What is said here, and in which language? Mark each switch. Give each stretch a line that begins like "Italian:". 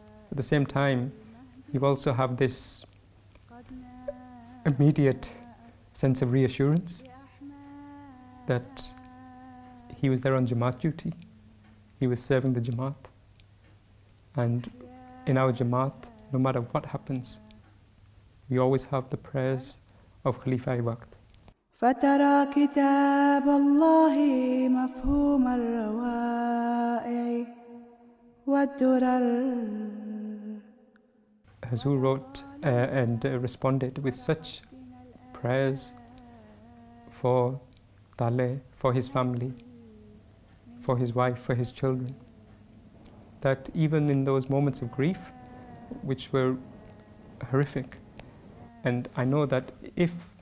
English: At the same time, you also have this immediate sense of reassurance that he was there on Jamaat duty. He was serving the Jamaat. And in our Jamaat, no matter what happens, we always have the prayers of Khalifa Iwaqt.
Arabic: فترى كتاب الله مفهوم الروائع والدرر.
English: Hazur wrote responded with such prayers for Taalay, for his family, for his wife, for his children, that even in those moments of grief, which were horrific, and I know that if